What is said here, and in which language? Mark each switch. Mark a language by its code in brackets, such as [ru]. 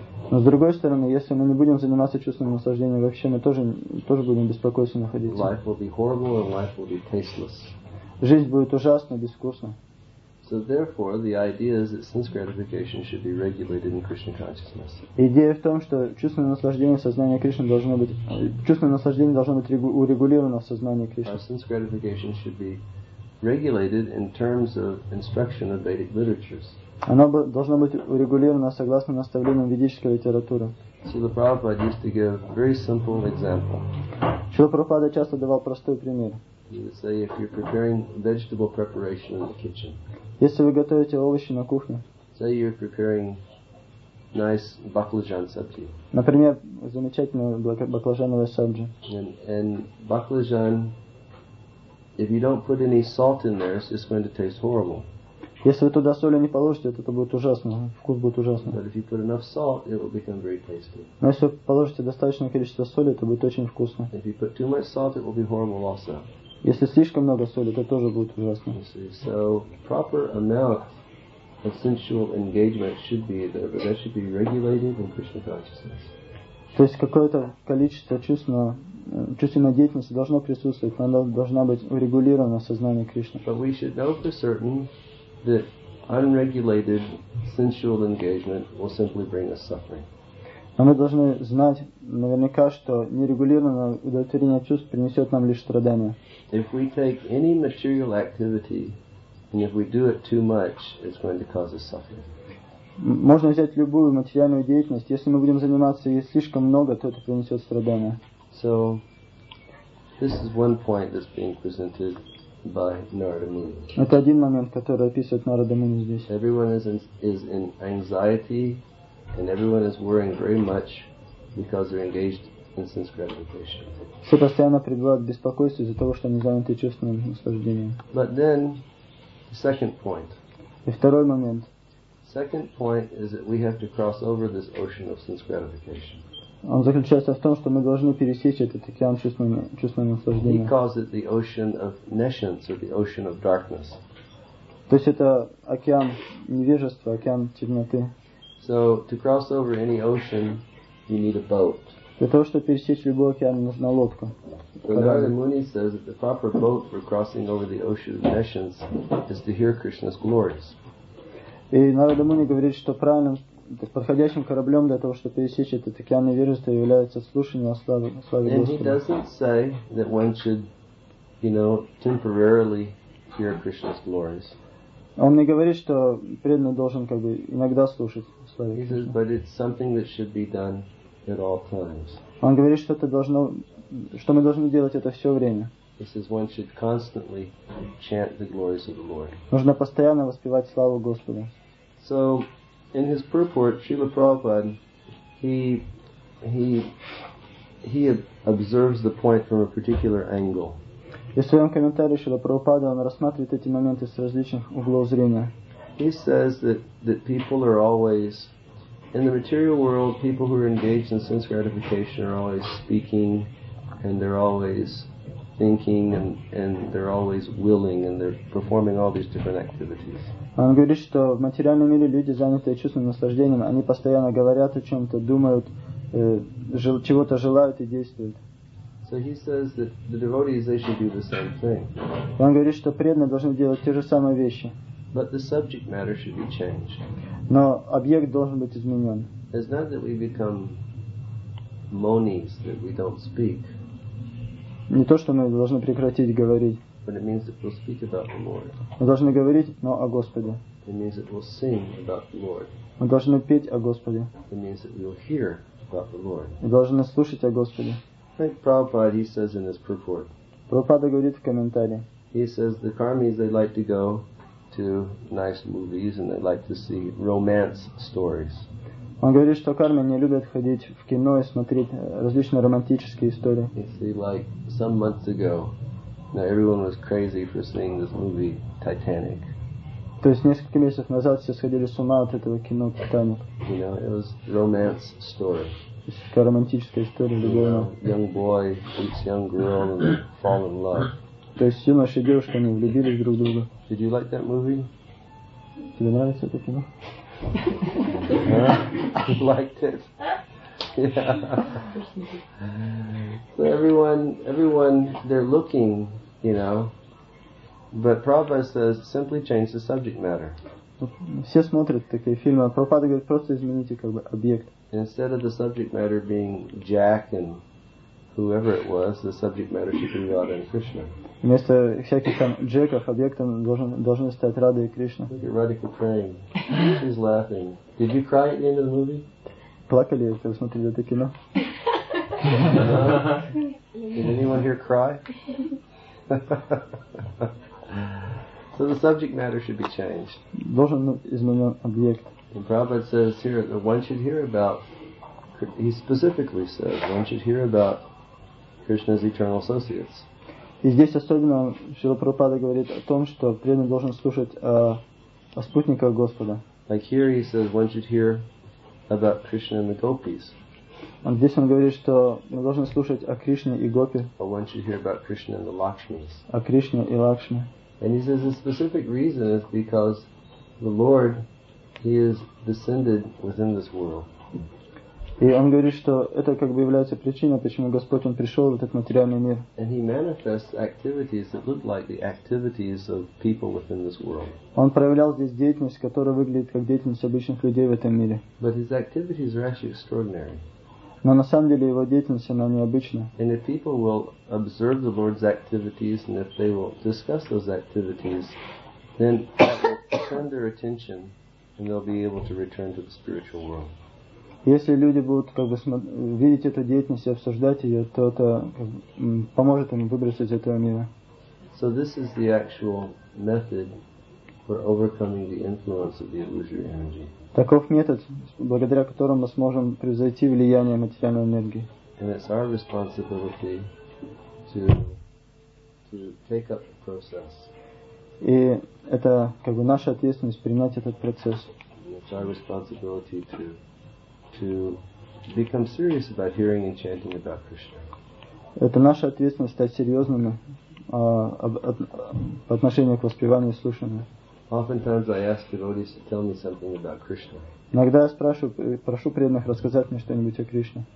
[ru] Но с другой стороны, если мы не будем заниматься чувственным наслаждением вообще, мы тоже будем беспокойство находиться. [en] Life will be horrible and life will be tasteless. [ru] Жизнь будет ужасна и безвкусна. [en] So therefore, the idea is that sense gratification should be regulated in Krishna consciousness. [ru] Идея в том, что чувственное наслаждение в сознании Кришны должно быть урегулировано в сознании Кришны. [en] Sense gratification should be regulated in terms of instruction of Vedic literatures. [ru] Оно должно быть урегулировано согласно наставлениям ведической литературы. [en] Srila Prabhupada used to give a very simple example. [ru] Srila Prabhupada часто давал простой пример. [en] He would say, if you're preparing vegetable preparation in the kitchen. [ru] Если вы готовите овощи на кухне. [en] Say you're preparing nice baklajan sabji. [ru] Например, замечательное баклажановое сабджи. [en] And baklajan, if you don't put any salt in there, it's just going to taste horrible. [ru] Если вы туда соли не положите, это будет ужасно, вкус будет ужасный. [en] But if you put enough salt, it will become very tasty. [ru] Но если вы положите достаточное количество соли, это будет очень вкусно. [en] If you put too much salt, it will be horrible also. [ru] Если слишком много соли, это тоже будет ужасно. [en] So proper amount of sensual engagement should be there, but that should be regulated in Krishna consciousness. [ru] То есть какое-то количество чувственной деятельности должно присутствовать, она должна быть урегулирована в сознании Кришны. [en] But we should know for certain that unregulated sensual engagement will simply bring us suffering. [ru] Но мы должны знать наверняка, что нерегулированное удовлетворение чувств принесет нам лишь страдания. [en] If we take any material activity and if we do it too much, it's going to cause us suffering. [ru] Можно взять любую материальную деятельность. Если мы будем заниматься ей слишком много, то это принесет страдания. [en] So, this is one point that's being presented by Narada Muni. [ru] Это один момент, который описывает Нарада Муни здесь. [en] Everyone is in anxiety. And everyone is worrying very much because they're engaged instance gratification. [ru] Все постоянно пребывают в беспокойстве из-за того, что они заняты чувственным наслаждением. [en] But then, the second point. [ru] И второй момент. [en] Second point is that we have to cross over this ocean of sense gratification. [ru] Он заключается в том, что мы должны пересечь этот океан чувственного наслаждения. [en] He calls it the ocean of nescience or the ocean of darkness. [ru] То есть это океан невежества, океан темноты. [en] So to cross over any ocean, you need a boat. [ru] Для того, чтобы пересечь любой океан, нужна лодка. [en] Narada Muni says that the proper boat for crossing over the ocean of nescience is to hear Krishna's glories. [ru] И Narada Muni говорит, что правильным, подходящим кораблем для того, чтобы пересечь этот океан невежества, является слушание о славе Господа. [en] And he doesn't say that one should, you know, temporarily hear Krishna's glories. [ru] Он не говорит, что преданный должен как бы иногда слушать славе. [en] He says, but it's something that should be done at all times. [ru] Он говорит, что это должно, что мы должны делать это все время. [en] He says one should constantly chant the glories of the Lord. [ru] Нужно постоянно воспевать славу Господа. [en] So, in his purport, Srila Prabhupada, he observes the point from a particular angle. [ru] И в своем комментарии Шрила Прабхупада он рассматривает эти моменты с различных углов зрения. [en] He says that people are always in the material world, people who are engaged in sense gratification are always speaking, and they're always thinking, and they're always willing, and they're performing all these different activities. [ru] Он говорит, что в материальном мире люди, занятые чувственным наслаждением, они постоянно говорят о чем-то, думают, чего-то желают и действуют. [en] So he says that the devotees, they should do the same thing. [ru] Он говорит, что преданные должны делать те же самые вещи. [en] But the subject matter should be changed. [ru] Но объект должен быть изменен. [en] It's not that we become monies, that we don't speak. [ru] Не то, что мы должны прекратить говорить. [en] But it means that we'll speak about the Lord. [ru] Мы должны говорить, но о Господе. [en] It means that we'll sing about the Lord. [ru] Мы должны петь о Господе. [en] It means that we'll hear about the Lord. [ru] Мы должны слушать о Господе. [en] Like Prabhupada, he says in his purport. [ru] Prabhupada говорит в комментарии. [en] He says the karmis, they like to go to nice movies and they like to see romance stories. [ru] Он говорит, что карми не любят ходить в кино и смотреть различные романтические истории. [en] You see, like some months ago, now everyone was crazy for seeing this movie Titanic. [ru] То есть несколько месяцев назад все сходили с ума от этого кино Титаник. [en] You know, it was romance story. [ru] Какая романтическая история, любовная. [en] Young boy meets young girl and they fall in love. [ru] То есть юноша и девушка, они влюбились друг в друга. [en] Did you like that movie? [ru] Тебе нравится это кино? [en] I liked it. Yeah. So everyone, they're looking, you know. But Prabhupada says, simply change the subject matter. [ru] Все смотрят такие фильмы. Прабхупада говорит, просто измените как бы объект. [en] Instead of the subject matter being Jack and whoever it was, the subject matter should be Radha and Krishna. [ru] Вместо всяких там Джеков, объектом должны стать Рада и Кришна. [en] Look at Radhika praying. She's laughing. Did you cry at the end of the movie? [ru] Плакали, если вы смотрели это кино. [en] Did anyone here cry? So the subject matter should be changed. [ru] Должен изменен объект. [en] And Prabhupada says here that one should hear about, he specifically says, one should hear about Krishna's eternal associates. [ru] И здесь особенно Шрила Прабхупада говорит о том, что преданный должен слушать о спутниках Господа. [en] Like here he says one should hear about Krishna and the gopis. [ru] Он здесь он говорит, что мы должны слушать о Кришне и гопи. [en] Or one should hear about Krishna and the Lakshmis. [ru] О Кришне и Лакшми. [en] And he says the specific reason is because the Lord, He is descended within this world. [ru] И он говорит, что это как бы является причиной, почему Господь он пришел в этот материальный мир. [en] And he manifests activities that look like the activities of people within this world. [ru] Он проявлял здесь деятельность, которая выглядит как деятельность обычных людей в этом мире. [en] But his activities are actually extraordinary. [ru] Но на самом деле его деятельность она необычна. [en] And if people will observe the Lord's activities and if they will discuss those activities, then that will turn their attention. And they'll be able to return to the spiritual world. [ru] Если люди будут как бы видеть эту деятельность и обсуждать ее, то это как бы поможет им выбраться из этого мира. [en] So this is the actual method for overcoming the influence of the illusory energy. [ru] Таков метод, благодаря которому мы сможем превзойти влияние материальной энергии. [en] and it's our responsibility to take up the process. [ru] И это как бы наша ответственность принять этот процесс. [en] It's our responsibility to become serious about hearing and chanting about Krishna. [ru] Это наша ответственность стать серьезными по отношению к воспеванию и слушанию. [en] Oftentimes I ask devotees to tell me something about Krishna. [ru] Иногда я спрашиваю, прошу преданных рассказать мне что-нибудь о Кришне.